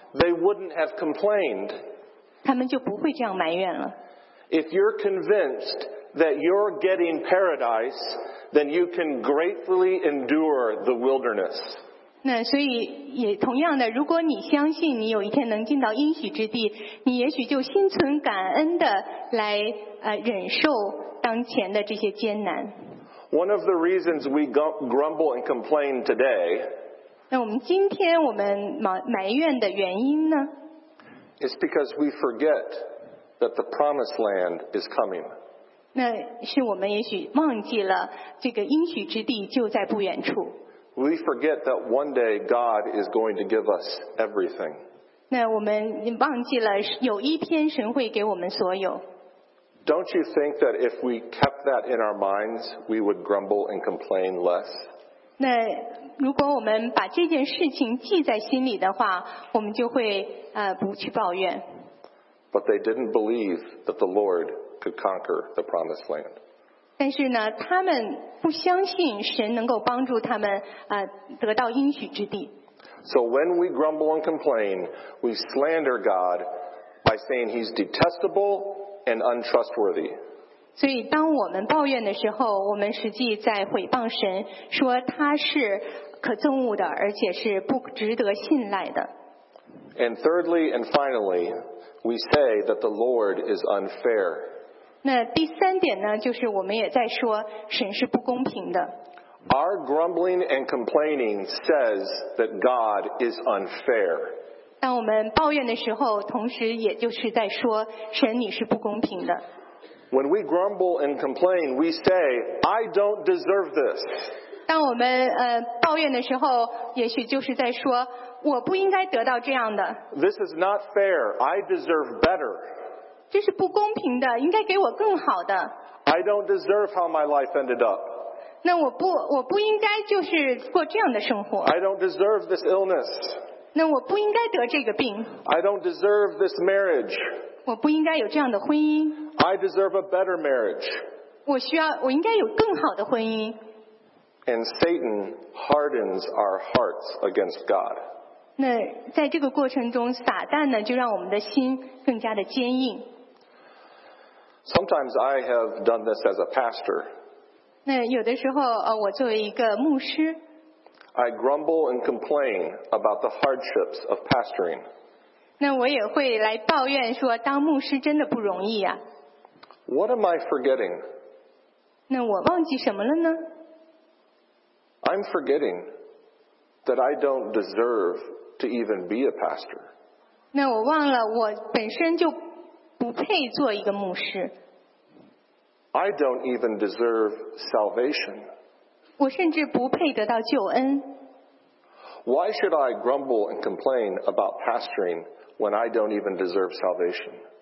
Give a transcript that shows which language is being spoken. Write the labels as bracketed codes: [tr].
[en] they wouldn't have complained. [zh] 他们就不会这样埋怨了。 [en] If you're convinced that you're getting paradise, then you can gratefully endure the wilderness. [zh] 那所以也同样的，如果你相信你有一天能进到应许之地，你也许就心存感恩的来忍受当前的这些艰难。 [en] One of the reasons we grumble and complain today. [zh] 那我们今天我们埋怨的原因呢？ [en] It's because we forget. That the promised land is coming. [zh] 那是我们也许忘记了这个应许之地就在不远处。 [en] We forget that one day God is going to give us everything. [zh] 那我们忘记了有一天神会给我们所有。 [en] Don't you think that if we kept that in our minds, we would grumble and complain less? [zh] 那如果我们把这件事情记在心里的话，我们就会不去抱怨。 [en] But they didn't believe that the Lord could conquer the promised land. [zh] 但是呢，他们不相信神能够帮助他们得到应许之地。 [en] So when we grumble and complain, we slander God by saying He's detestable and untrustworthy. [zh] 所以当我们抱怨的时候，我们实际在毁谤神，说他是可憎恶的，而且是不值得信赖的。 [en] And thirdly and finally, we say that the Lord is unfair. [zh] 那第三点呢，就是我们也在说神是不公平的。 [en] Our grumbling and complaining says that God is unfair. [zh] 当我们抱怨的时候，同时也就是在说神你是不公平的。 [en] When we grumble and complain, we say, I don't deserve this. [zh] 当我们抱怨的时候，也许就是在说我不应该得到这样的。 [en] This is not fair. I deserve better. [zh] 这是不公平的，应该给我更好的。 [en] I don't deserve how my life ended up. [zh] 那我不应该就是过这样的生活。 [en] I don't deserve this illness. [zh] 那我不应该得这个病。 [en] I don't deserve this marriage. [zh] 我不应该有这样的婚姻。 [en] I deserve a better marriage. [zh] 我应该有更好的婚姻。 [en] And Satan hardens our hearts against God. [zh] 那在这个过程中, 撒旦呢, 就让我们的心更加的坚硬。 [en] Sometimes I have done this as a pastor. [zh] 那有的时候, 我作为一个牧师, [en] I grumble and complain about the hardships of pastoring. [zh] 那我也会来抱怨说, 当牧师真的不容易啊。 [en] What am I forgetting? [zh] 那我忘记什么了呢? [en] I'm forgetting that I don't deserve to even be a pastor. [zh] 那我忘了我本身就不配做一个牧师。 [en] I don't even deserve salvation. [zh] 我甚至不配得到救恩。 [en] Why should I grumble and complain about pastoring when I don't even deserve salvation?